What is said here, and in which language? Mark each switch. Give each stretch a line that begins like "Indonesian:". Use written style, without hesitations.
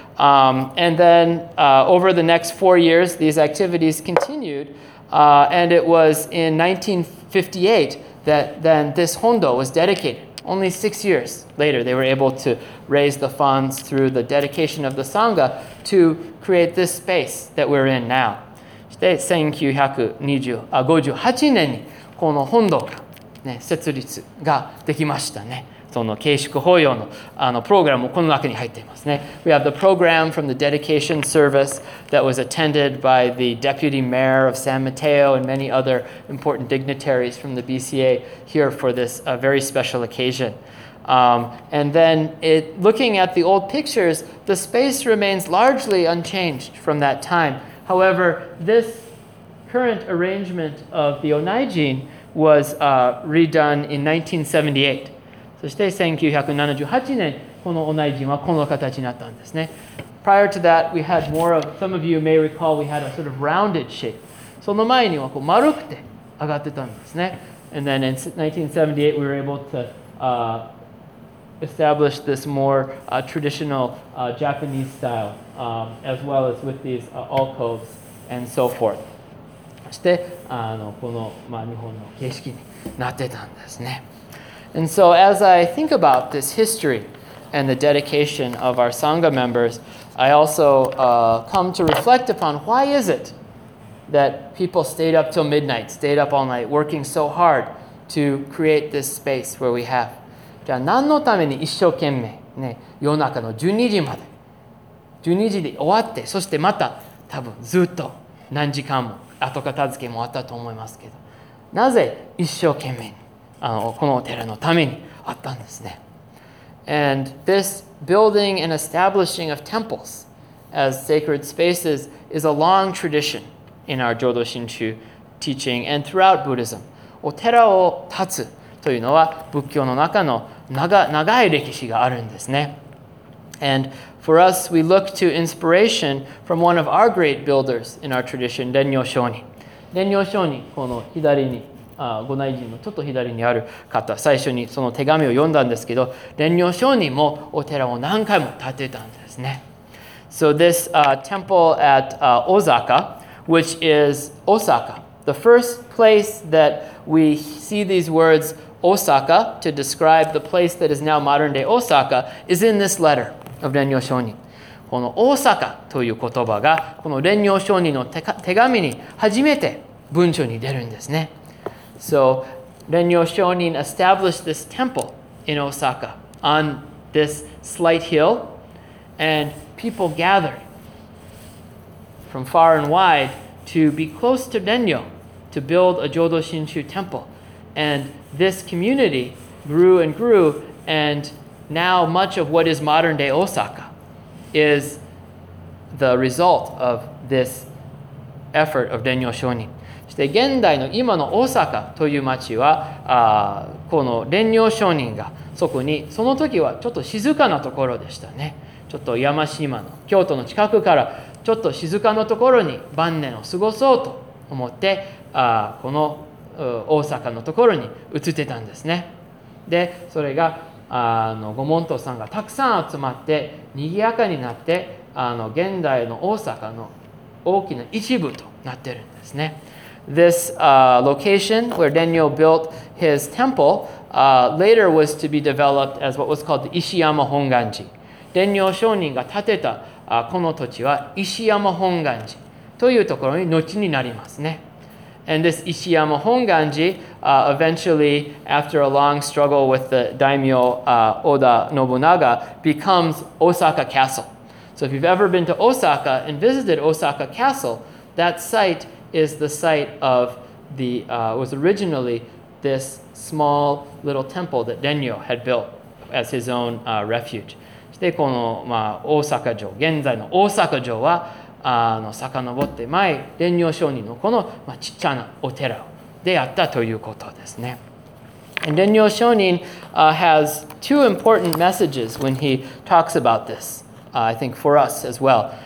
English: And then over the next 4 years, these activities continued. And it was in 1958 that then this hondo was dedicated. Only 6 years later, they were able to raise the funds through the dedication of the Sangha to create this space that we're in now.
Japanese: で、1958年にこの本堂が、ね、設立ができましたね。その慶祝法要 の, あのプログラムもこの中に入っていますね。
English: We have the program from the dedication service that was attended by the deputy mayor of San Mateo and many other important dignitaries from the BCA here for this very special occasion. And then it, looking at the old pictures, the space remains largely unchanged from that time. However, this current arrangement of the Onaijin was redone in 1978.
Japanese: そして1978年、この Onaijin はこの形になったんですね。
English: Prior to that, we had more of, some of you may recall, we had a sort of rounded shape.
Japanese: その前にはこう丸くて上がってたんですね。
English: And then in 1978, we were able to establish this more traditional Japanese style. As well as with these alcoves and so forth.
Japanese: そしてあのこの、まあ、日本の形式になってたんですね。
English: And so as I think about this history and the dedication of our Sangha members, I also come to reflect upon why is it that people stayed up till midnight, stayed up all night, working so hard to create this space where we have.
Japanese: じゃあ何のために一生懸命、ね、夜中の12時まで12時で終わって、そしてまた多分ずっと何時間も後片付けもあったと思いますけど、なぜ一生懸命にあのこのお寺のためにあったんですね。
English: And this building and establishing of temples as sacred spaces is a long tradition in our Jodo Shinshu teaching and throughout Buddhism.
Japanese: お寺を建つというのは仏教の中の 長い歴史があるんですね。
English: And for us, we look to inspiration from one of our great builders in our tradition, Denyo Shoni.
Japanese: Denyo Shoni, この左に、ご内陣のちょっと左にある方、最初にその手紙を読んだんですけど、Denyo Shoni もお寺を何回も建てたんですね。
English: So this temple at Osaka, which is Osaka, the first place that we see these words Osaka to describe the place that is now modern day Osaka is in this letter. Of Renyo Shoni.
Japanese: この大阪という言葉がこの蓮如上人の 手紙に初めて文章に出るんですね。
English: So, 蓮如上人 established this temple in Osaka on this slight hill, and people gathered from far and wide to be close to 蓮如 to build a Jodo Shinshu temple. And this community grew and grew andNow, much of what is modern-day Osaka is the result of this effort of Renyo Shonin.
Japanese: そして現代の今の大阪という町は、この Renyo Shonin がそこに、その時はちょっと静かなところでしたね。ちょっと山島の京都の近くからちょっと静かなところに晩年を過ごそうと思って、この大阪のところに移ってたんですね。で、それが御門徒さんがたくさん集まって賑やかになって現代の大阪の大きな一部となってるんですね。
English: This location where Renyo built his temple later was to be developed as what was called the 石山本願寺。
Japanese: Renyo Shonin が建てたこの土地は石山本願寺というところに後になりますね。
English: And this Ishiyama Honganji eventually, after a long struggle with the daimyo Oda Nobunaga, becomes Osaka Castle. So if you've ever been to Osaka and visited Osaka Castle, that site is the site of the, was originally this small little temple that Denyo had built as his own refuge.
Japanese: そしてこの、まあ、大阪城、現在の大阪城は遡って前蓮如上人のこの、まあ、ちっちゃなお寺でやったということですね。
English: And 蓮如上人、has two important messages when he talks about this、I think for us as well.